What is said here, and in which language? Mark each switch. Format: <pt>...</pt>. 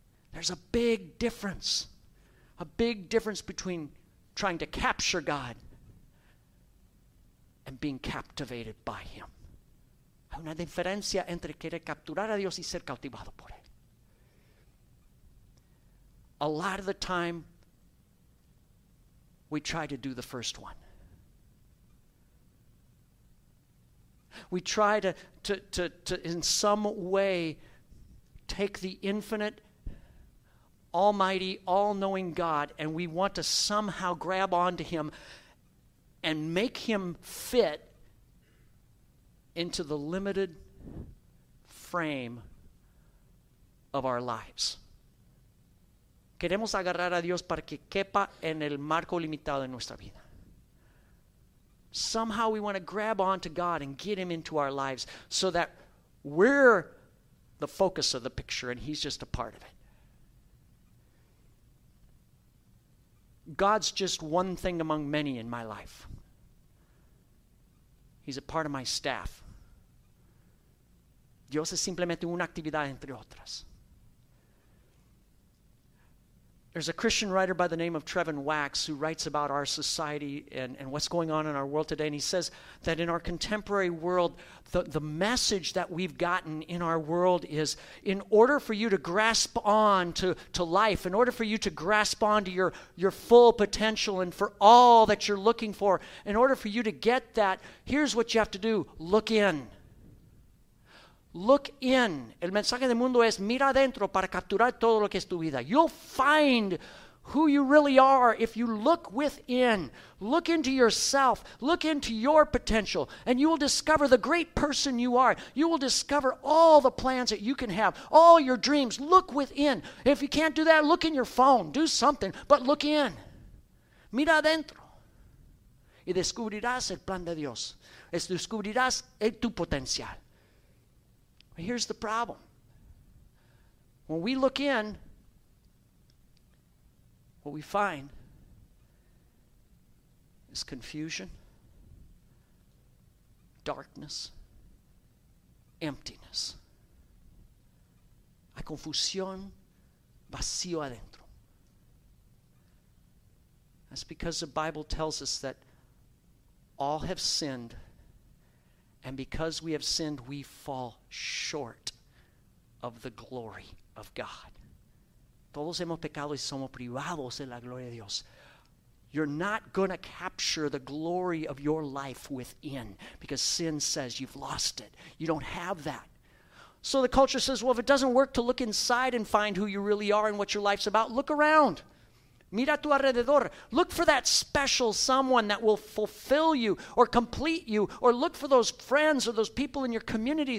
<en>There's a big difference between trying to capture God and being captivated by him.</en> <es>Hay una diferencia entre querer capturar a Dios y ser cautivado por él.</es> <en>A lot of the time, we try to do the first one. We try to in some way take the infinite, almighty, all-knowing God, and we want to somehow grab onto him and make him fit into the limited frame of our lives.</en> <es>Queremos agarrar a Dios para que quepa en el marco limitado de nuestra vida.</es> <en>Somehow we want to grab onto God and get him into our lives so that we're the focus of the picture and he's just a part of it. God's just one thing among many in my life. He's a part of my staff.</en> <es>Dios es simplemente una actividad entre otras.</es> <en>There's a Christian writer by the name of Trevin Wax who writes about our society and what's going on in our world today. And he says that in our contemporary world, the message that we've gotten in our world is in order for you to grasp on to life, in order for you to grasp on to your full potential and for all that you're looking for, in order for you to get that, here's what you have to do. Look in. Look in.</en> <es>El mensaje del mundo es mira adentro para capturar todo lo que es tu vida.</es> <en>You'll find who you really are if you look within. Look into yourself. Look into your potential. And you will discover the great person you are. You will discover all the plans that you can have. All your dreams. Look within. If you can't do that, look in your phone. Do something. But look in.</en> <es>Mira adentro. Y descubrirás el plan de Dios. Descubrirás tu potencial.</es> <en>Here's the problem. When we look in, what we find is confusion, darkness, emptiness.</en> <es>Hay confusión, vacío adentro.</es> <en>That's because the Bible tells us that all have sinned. And because we have sinned, we fall short of the glory of God.</en> <es>Todos hemos pecado y somos privados de la gloria de Dios.</es> <en>You're not going to capture the glory of your life within because sin says you've lost it. You don't have that. So the culture says, well, if it doesn't work to look inside and find who you really are and what your life's about, look around.</en> <es>Mira a tu alrededor.</es> <en>Look for that special someone that will fulfill you or complete you, or look for those friends or those people in your community.</en>